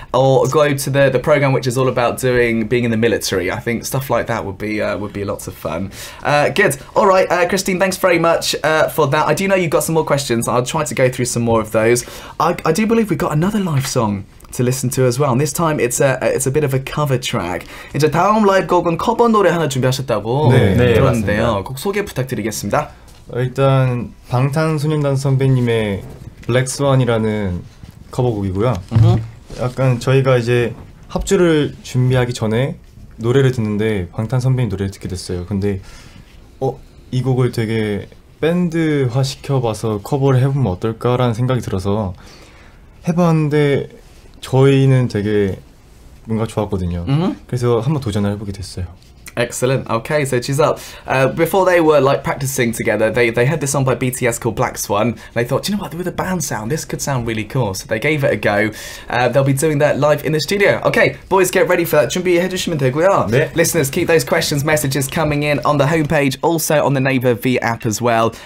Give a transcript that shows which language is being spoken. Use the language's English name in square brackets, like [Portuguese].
[English] Or go to the program which is all about doing, being in the military. I think stuff like that would be lots of fun. Good. All right, Christine, thanks very much for that. I do know you've got some more questions. I'll try to go through some more of those. I do believe we've got another live song to listen to as well. And this time it's a bit of a cover track. [Korean] 이제 다음 라이브 곡은 커버 노래 하나 준비하셨다고 네, 들었는데요. 네, 곡 소개 부탁드리겠습니다. 일단 방탄소년단 선배님의 블랙스완이라는 커버곡이고요. 약간 저희가 이제 합주를 준비하기 전에 노래를 듣는데 방탄 선배님 노래를 듣게 됐어요. 근데 이 곡을 되게 밴드화 시켜봐서 커버를 해보면 어떨까라는 생각이 들어서 해봤는데 저희는 되게 뭔가 좋았거든요. Mm-hmm. 그래서 한번 도전을 해보게 됐어요. [English] Excellent. Okay, so TuZi. Before they were like practicing together, they heard this song by BTS called Black Swan. They thought, you know what, with a band sound, this could sound really cool. So they gave it a go. They'll be doing that live in the studio. Okay, boys, get ready for that. [Korean] 준비해주시면 되고요. 네. [English] Listeners, keep those questions, messages coming in on the homepage, also on the Naver V app as well.